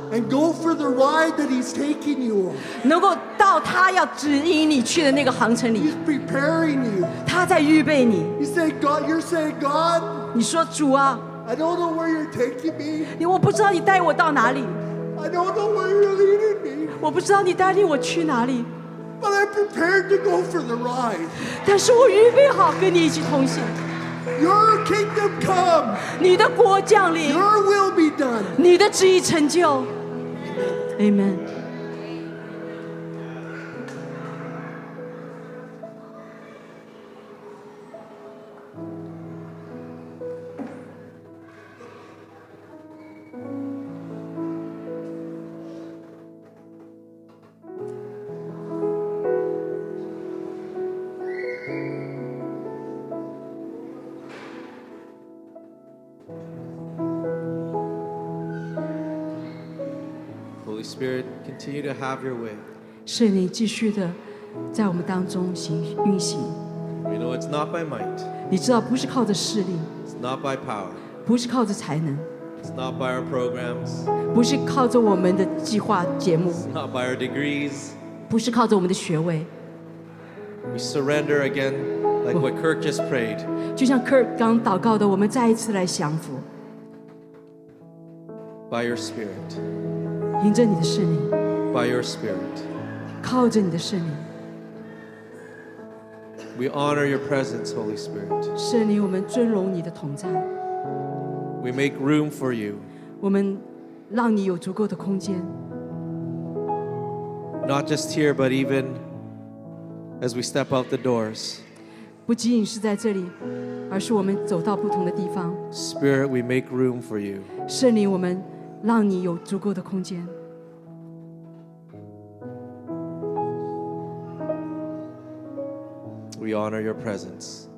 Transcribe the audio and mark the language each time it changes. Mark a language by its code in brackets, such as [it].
[en] And go for the ride that He's taking you on. [zh] 能够到他要指引你去的那个航程里。 [en] He's preparing you. [zh] 他在预备你。 [en] You say, God, you're saying, God. [zh] 你说主啊。 [en] I don't know where you're taking me. [zh] 我不知道你带我到哪里。 [en] I don't know where you're leading me. [zh] 我不知道你带领我去哪里。 [en] But I'm prepared to go for the ride. [zh] 但是我预备好跟你一起同行。 [en] Your kingdom come. [zh] 你的国降临。 [en] Your will be done. [zh] 你的旨意成就。Amen. [en] Spirit, continue to have your way. [zh] 圣灵继续的在我们当中行运行。 [en] You know it's not by might. [zh] 你知道不是靠着势力。 [en] It's not by power. [zh] 不是靠着才能。 [en] It's not by our programs. [zh] 不是靠着我们的计划节目。 [en] It's not by our degrees. [zh] 不是靠着我们的学位。 [en] We surrender again, like what Kirk just prayed. [zh] 就像Kirk刚祷告的，我们再一次来降服。 [en] By your Spirit. [zh] 迎着你的圣灵, [en] By your Spirit. [zh] 靠着你的圣灵, [en] we honor your presence, Holy Spirit. [zh] 圣灵，我们尊荣你的同在。 [en] We make room for you. [zh] 我们让你有足够的空间。 [en] Not just here, but even as we step out the doors. [zh] 不仅仅是在这里, 而是我们走到不同的地方。 [en] Spirit, we make room for you. [zh] 圣灵，我们让你有足够的空间。 [en] We honor your presence.